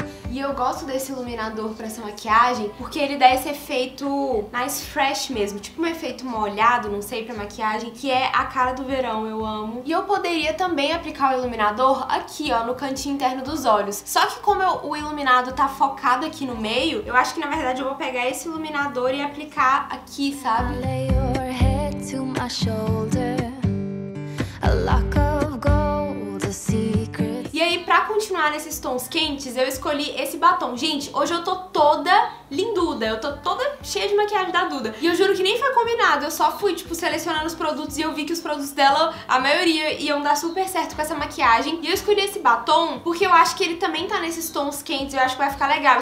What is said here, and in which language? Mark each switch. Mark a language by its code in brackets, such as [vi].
[pt] E eu gosto desse iluminador pra essa maquiagem porque ele dá esse efeito mais fresh mesmo, tipo um efeito molhado, não sei, pra maquiagem, que é a cara do verão, eu amo. E eu poderia também aplicar o iluminador aqui, ó, no cantinho interno dos olhos. Só que como o iluminado tá focado aqui no meio, eu acho que na verdade eu vou pegar esse iluminador e aplicar aqui, sabe? [en] Lay your head to my shoulder. A lock of gold, a secret. [pt] E aí, continuar nesses tons quentes, eu escolhi esse batom. Gente, hoje eu tô toda linduda, eu tô toda cheia de maquiagem da Duda. E eu juro que nem foi combinado, eu só fui, tipo, selecionando os produtos e eu vi que os produtos dela, a maioria, iam dar super certo com essa maquiagem. E eu escolhi esse batom porque eu acho que ele também tá nesses tons quentes, eu acho que vai ficar legal.